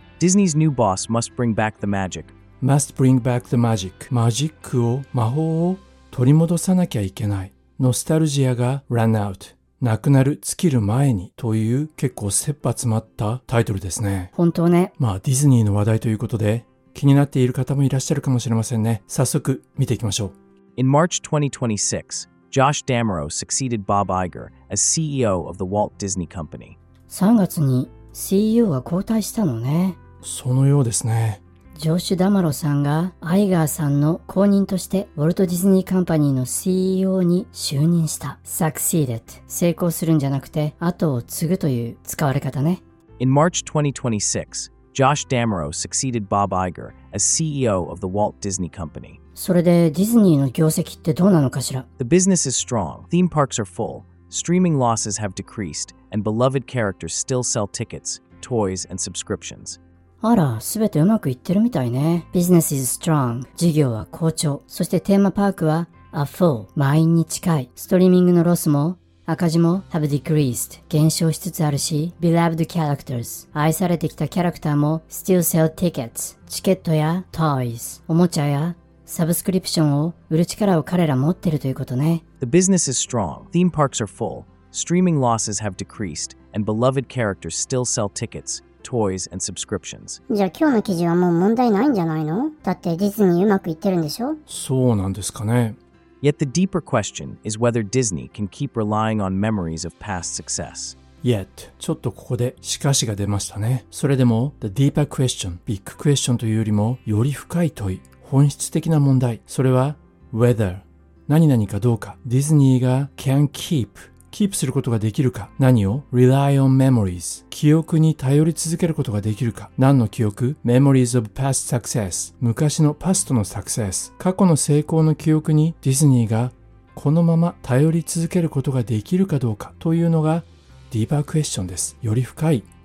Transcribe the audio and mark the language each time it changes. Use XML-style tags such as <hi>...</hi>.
<en>Disney's new boss must bring back the magic. Must bring back the magic.</en> <ja>マジックを、魔法を取り戻さなきゃいけない。ノスタルジアが</ja> <en>run out。</en> <ja>なくなる、尽きる前に、という結構切羽詰まったタイトルですね。本当ね。まあ、ディズニーの話題ということで、気になっている方もいらっしゃるかもしれませんね。早速見ていきましょう。</ja> <en>In March 2026, Josh Damrow succeeded Bob Iger as CEO of the Walt Disney Company.</en> <ja>3月に、CEO は交代したのね。そのようですね。ジョシュ・ダマロさんがアイガーさんの後任としてウォルト・ディズニー・カンパニーの CEO に就任した。 Succeeded、 成功するんじゃなくて後を継ぐという使われ方ね。</ja> <en>In March 2026, Josh Damrow succeeded Bob Iger as CEO of the Walt Disney Company.</en> <ja>それでディズニーの業績ってどうなのかしら。</ja> <en>The business is strong. Theme parks are full. Streaming losses have decreased. And beloved characters still sell tickets, toys, and subscriptions.</en> <ja>あら、すべてうまくいってるみたいね。</ja> <en>Business is strong.</en> <ja>事業は好調。そしてテーマパークは</ja> <en>a full,</en> <ja>満員に近い。ストリーミングのロスも赤字も</ja> <en>have decreased,</en> <ja>減少しつつあるし、</ja> <en>beloved characters,</en> <ja>愛されてきたキャラクターも</ja> <en>still sell tickets,</en> <ja>チケットや toys, おもちゃやサブスクリプションを売る力を彼ら持ってるということね。</ja> <en>The business is strong. Theme parks are full. Streaming losses have decreased, and beloved characters still sell tickets, toys, and subscriptions.</en> <ja>じゃあ今日の記事はもう問題ないんじゃないの？だってディズニーうまくいってるんでしょ？そうなんですかね。</ja> <en>Yet the deeper question is whether Disney can keep relying on memories of past success.</en> <ja>Yet、 ちょっとここでしかしが出ましたね。それでも、</ja> <en>the deeper question、</en> <ja>ビッグクエスチョンというよりもより深い問い、本質的な問題、それは whether、 何々かどうか、ディズニーが</ja> <en>can keep</en> <ja>キープすることができるか、何を</ja> <en>rely on memories、</en> <ja>記憶に頼り続けることができるか、何の記憶、</ja> <en>memories of past success、</en> <ja>昔のパストの success、 過去の成功の記憶にディズニーがこのまま頼り続けることができるかどうか、というのがディーパークエスチョンです。より深い</ja>